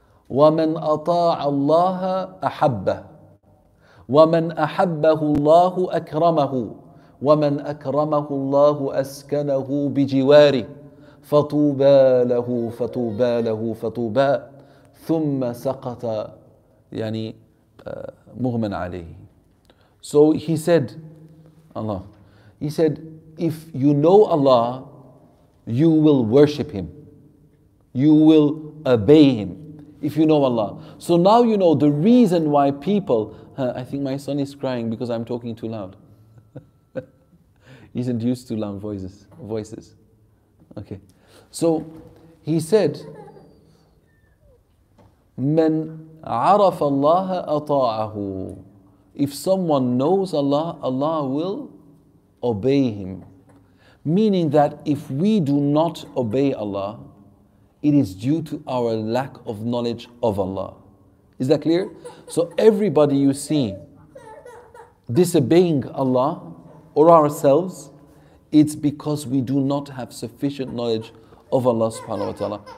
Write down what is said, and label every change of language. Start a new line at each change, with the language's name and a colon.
Arabic: ومن أطاع الله أحبه ومن أحبه الله أكرمه ومن أكرمه الله أسكنه بجواره فطوبى له فطوبى له فطوبى ثم سقط يعني مغمى عليه.
English: So he said, Allah, he said, if you know Allah, you will worship Him. You will obey Him if you know Allah. So now you know the reason why people, I think my son is crying because I'm talking too loud. He isn't used to loud voices. Okay. So he said,
Arabic: من عرف الله أطاعه.
English: If someone knows Allah, Allah will obey him. Meaning that if we do not obey Allah, it is due to our lack of knowledge of Allah. Is that clear? So everybody you see disobeying Allah or ourselves, it's because we do not have sufficient knowledge of Allah subhanahu wa ta'ala.